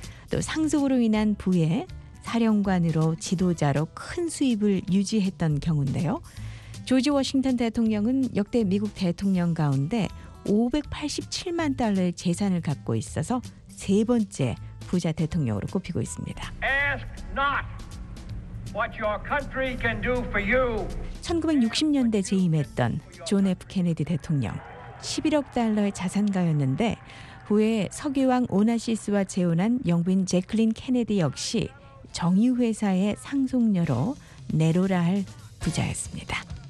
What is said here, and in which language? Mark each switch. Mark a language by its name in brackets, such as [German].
[Korean] 또 상속으로 인한 부에 사령관으로 지도자로 큰 수입을 유지했던 경우인데요. 조지 워싱턴 대통령은 역대 미국 대통령 가운데 587만 달러의 재산을 갖고 있어서 세 번째 부자 대통령으로 꼽히고 있습니다. [English] Ask not what your country can do for you. [Korean] 1960년대 재임했던 존 F. 케네디 대통령 11억 달러의 자산가였는데 후에 석유왕 오나시스와 재혼한 영부인 재클린 케네디 역시 정유회사의 상속녀로 내로라 할 부자였습니다.